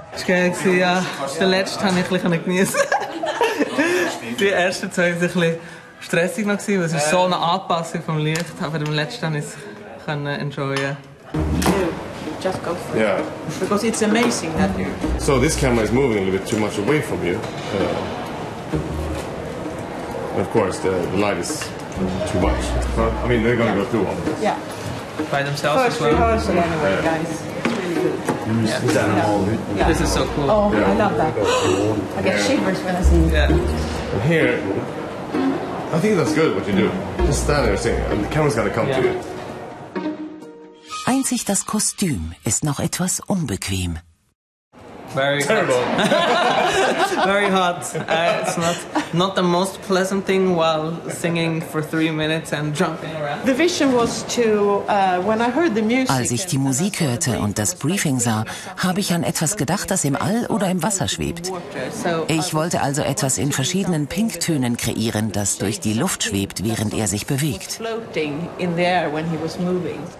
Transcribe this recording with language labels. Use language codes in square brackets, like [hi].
[de] Ja, den letzten habe ich ein bisschen geniessen. Die ersten zwei waren ein bisschen stressig, weil es so eine Anpassung vom Licht war. Aber den letzten konnte ich es enjoyen. [en] You, just go for it. Yeah. Because it's amazing that you... So this camera is moving a little bit too much away from you. Of course, the light is too much. But, I mean, they're going to go through all this. Yeah. By themselves first as well. First rehearsal anyway, yeah. Guys. Yeah. This is so cool. Oh, yeah. I love that. I get shivers when I sing. Yeah. And here, I think that's good what you do. Just stand there singing, and the camera's gonna come to you. [de] Einzig das Kostüm ist noch etwas unbequem. [en] Very terrible. Very hot. It's not the most pleasant thing while singing for 3 minutes and jumping around. The vision was to when I heard the music. [de] Als ich die Musik hörte und das Briefing sah, habe ich an etwas gedacht, das im All oder im Wasser schwebt. Ich wollte also etwas in verschiedenen Pinktönen kreieren, das durch die Luft schwebt, während er sich bewegt. [en] Floating in the air when he was moving.